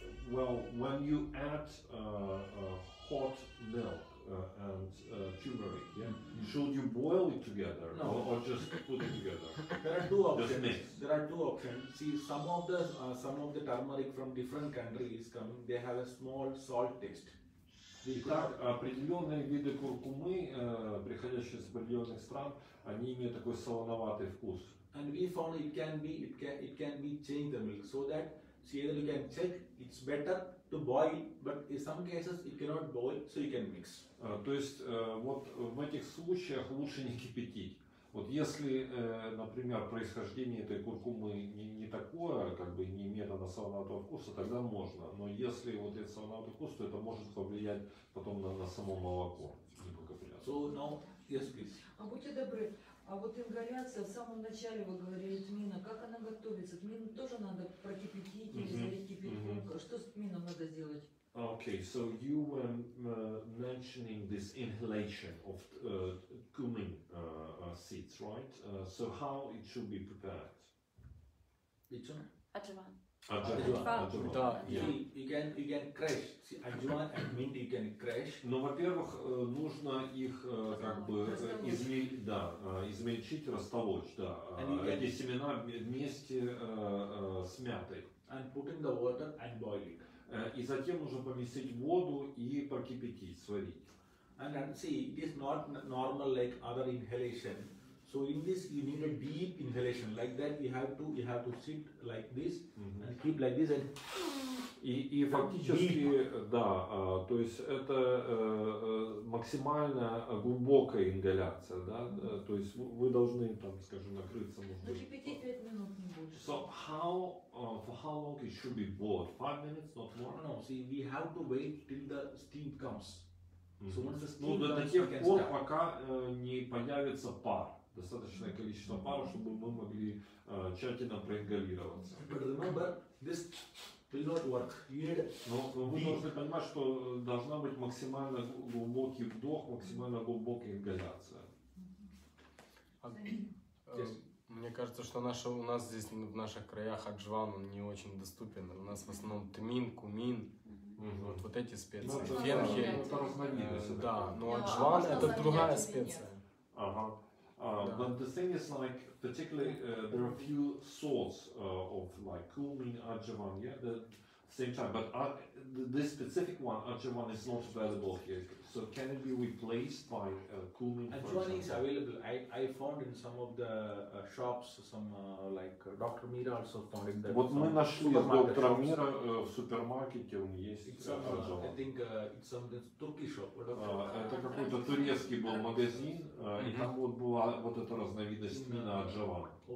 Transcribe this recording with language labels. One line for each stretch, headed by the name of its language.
English: Well, when you add hot milk and turmeric, should you boil it together or just put it together? There are two options. See, some of the turmeric from different countries coming, they have a small salt taste.
Russian: Итак, определенные виды куркумы, приходящие из определенных стран, они имеют такой солоноватый вкус.
English: And if only it can be change the milk so that. See, you can check, it's better to boil, but in some cases it cannot boil, so you can mix.
Russian: То есть, вот в этих случаях лучше не кипятить. Вот если, например, происхождение этой куркумы не такое, как бы не имеет она солоноватого вкуса, тогда можно. Но если вот этот солоноватый вкус, то это может повлиять потом на само молоко.
English: So, now, yes, please.
Russian: А будьте добры, А вот ингаляция, в самом начале вы говорили, тмина, как она готовится? Тмин тоже надо прокипятить или залить кипятком? Что с тмином надо сделать?
English: Okay, so you were mentioning this inhalation of cumin seeds, right? So how it should be prepared? Ajwan.
Russian: Во-первых, нужно их как бы измельчить, растолочь, да. Эти семена вместе с мятой.
English: And put in the water and boiling.
Russian: И затем нужно поместить в воду и прокипятить, сварить.
English: And see, it is not normal like other inhalation. So in this you need a deep inhalation like that. You have to sit like this and keep like this and.
Russian: И фактически, да, то есть это максимально глубокая ингаляция, да, то есть вы должны, там, скажем, накрыться, может быть. Закипятить 5 минут не больше.
English: So how, for how long it should be boiled? 5 minutes, not more? No, see, we have to wait till the steam comes. So once the steam comes, we can start.
Russian: Ну, до тех пор, пока не появится пар. Достаточное количество пара, чтобы мы могли тщательно проингалироваться.
English: But remember, this... Will not work.
Russian: Но вы должны понимать, что должна быть максимально глубокий вдох, максимально глубокая ингаляция. Мне кажется, что у нас здесь в наших краях аджван не очень доступен. У нас в основном тмин, кумин, вот эти специи. Ну, фенхель. Это разновидность. Да, но аджван это другая специя. Ага.
English: But the thing is, like, particularly, there are a few sorts of, like, cumin, ajwan, yeah, the same time. But this specific one, ajwan, is not available here. So can it be replaced by cumin? Ajwan is available. I found in some of the shops, Dr. Mira also found it.
Russian: Вот мы нашли Dr. Mira в супермаркете, он есть
English: ajwan. I think it's some Turkish shop.
Russian: Это какой-то турецкий был магазин, и там вот была вот эта разновидность именно ajwan.